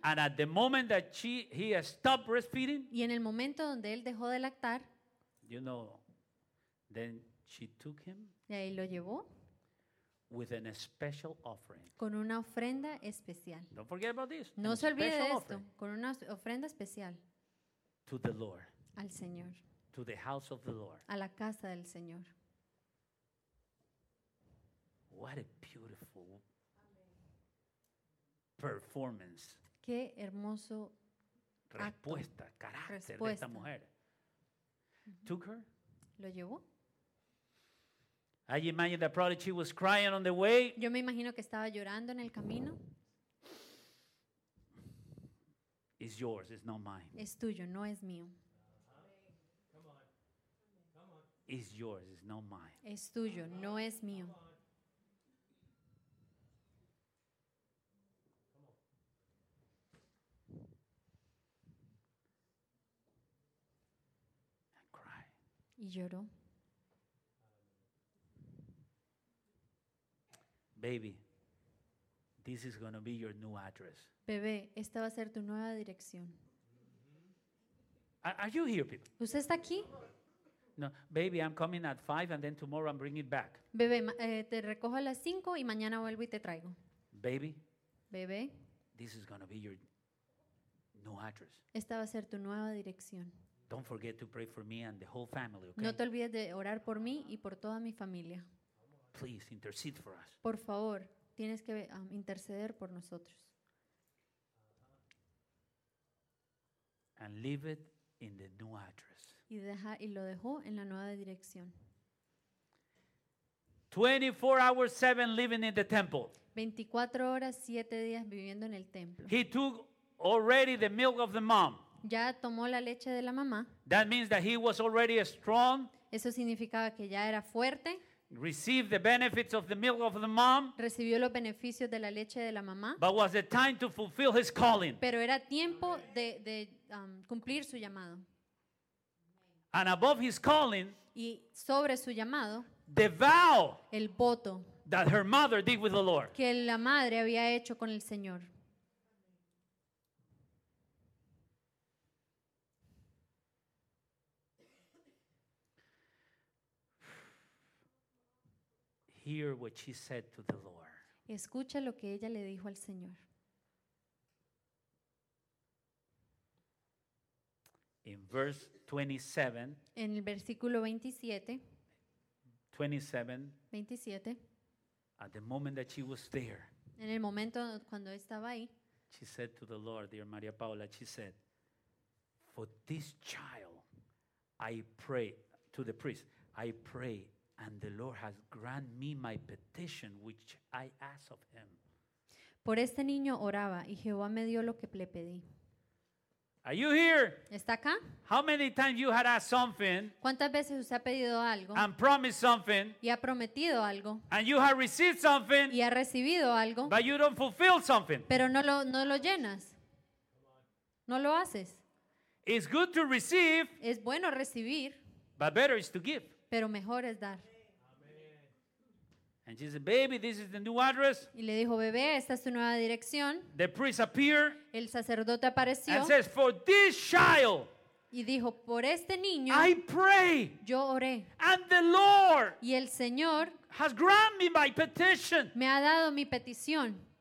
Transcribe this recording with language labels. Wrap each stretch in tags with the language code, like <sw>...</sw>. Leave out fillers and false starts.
<en>And at the moment that he stopped breastfeeding,</en> <es>y en el momento donde él dejó de lactar,</es> <en>you know, then she took him.</en> <es>Y ahí lo llevó.</es> <en>With an special offering.</en> <es>Con una ofrenda especial.</es> <en>Don't forget about this.</en> <es>No se olvide de esto. Con una ofrenda especial.</es> <en>To the Lord.</en> <es>Al Señor.</es> <en>To the house of the Lord.</en> <es>A la casa del Señor.</es> <en>What a beautiful performance.</en> <es>Qué hermoso respuesta, acto. Carácter respuesta. De esta mujer. Uh-huh.</es> <en>Took her.</en> <es>Lo llevó.</es> <en>I imagine that probably she was crying on the way.</en> <es>Yo me imagino que estaba llorando en el camino.</es> <en>It's yours, it's not mine.</en> <es>Es tuyo, no es mío.</es> <en>It's yours, it's not mine.</en> <es>Es tuyo, no es mío.</es> <en>I cry.</en> <es>Y lloró.</es> <en>Baby, this is going to be your new address.</en> <es>Bebé, esta va a ser tu nueva dirección.</es> <en>Are you here, people?</en> <es>¿Usted está aquí?</es> <en>No, baby, I'm coming at 5 and then tomorrow I'm bringing it back.</en> <es>Bebé, te recojo a las 5 y mañana vuelvo y te traigo.</es> <en>Baby.</en> <es>Bebé.</es> <en>This is going to be your new address.</en> <es>Esta va a ser tu nueva dirección.</es> <en>Don't forget to pray for me and the whole family, okay?</en> <es>No te olvides de orar por mí y por toda mi familia.</es> <en>Please intercede for us.</en> <es>Por favor, tienes que interceder por nosotros.</es> <en>And leave it in the new address.</en> <es>Y lo dejó en la nueva dirección.</es> <en>24 hours 7 living in the temple.</en> <es>24 horas 7 días viviendo en el templo.</es> <en>He took already the milk of the mom.</en> <es>Ya tomó la leche de la mamá.</es> <en>That means that he was already strong.</en> <es>Eso significaba que ya era fuerte.</es> <en>Received the benefits of the milk of the mom.</en> <es>Recibió los beneficios de la leche de la mamá.</es> <en>But was the time to fulfill his calling.</en> <es>Pero era tiempo de cumplir su llamado.</es> <en>And above his calling.</en> <es>Y sobre su llamado.</es> <en>The vow.</en> <es>El voto.</es> <en>That her mother did with the Lord.</en> <es>Que la madre había hecho con el Señor.</es> <en>Hear what she said to the Lord.</en> <es>Escucha lo que ella le dijo al Señor.</es> <en>In verse 27.</en> <es>En el versículo 27.</es> <en>At the moment that she was there.</en> <es>En el momento cuando estaba ahí.</es> <en>She said to the Lord, dear María Paula, she said, "For this child, I pray to the priest. I pray." And the Lord has granted me my petition which I asked of him.</en> <es>Por este niño oraba y Jehová me dio lo que le pedí.</es> <en>Are you here?</en> <es>¿Está acá?</es> <en>How many times you had asked something?</en> <es>¿Cuántas veces usted ha pedido algo?</es> <en>And promised something.</en> <es>Y ha prometido algo.</es> <en>And you have received something.</en> <es>Y ha recibido algo.</es> <en>But you don't fulfill something.</en> <es>Pero no lo llenas. No lo haces.</es> <en>It's good to receive.</en> <es>Es bueno recibir.</es> <en>But better is to give.</en> <es>Pero mejor es dar.</es> <en>And she said, "Baby, this is the new address."</en> <es>Y le dijo, bebé, esta es tu nueva dirección.</es> <en>The priest appeared.</en> <es>El sacerdote apareció.</es> <en>And says, "For this child."</en> <es>Y dijo, por este niño.</es> <en>I pray.</en> <es>Yo oré.</es> <en>And the Lord.</en> <es>Y el Señor.</es> <en>Has granted me my petition.</en> <es>Me ha dado mi petición.</es>